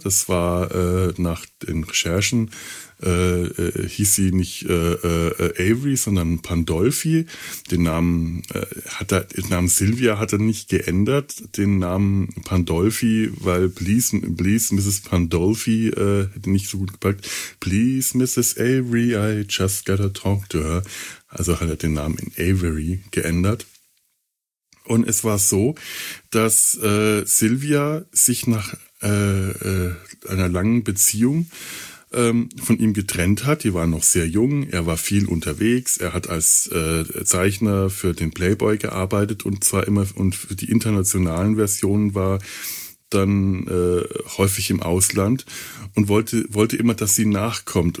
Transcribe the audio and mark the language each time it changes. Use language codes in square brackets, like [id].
[de] Das war nach den Recherchen, hieß sie nicht Avery, sondern Pandolfi. Den Namen Silvia hat er nicht geändert. Den Namen Pandolfi, weil [en] please Mrs. [de] Pandolfi hätte nicht so gut gepackt. [en] Please Mrs. Avery, I just gotta talk to her. [de] Also hat er den Namen in Avery geändert. Und es war so, dass Silvia sich nach einer langen Beziehung von ihm getrennt hat. Die waren noch sehr jung, er war viel unterwegs, er hat als Zeichner für den Playboy gearbeitet und zwar immer, und für die internationalen Versionen war dann häufig im Ausland und wollte immer, dass sie nachkommt.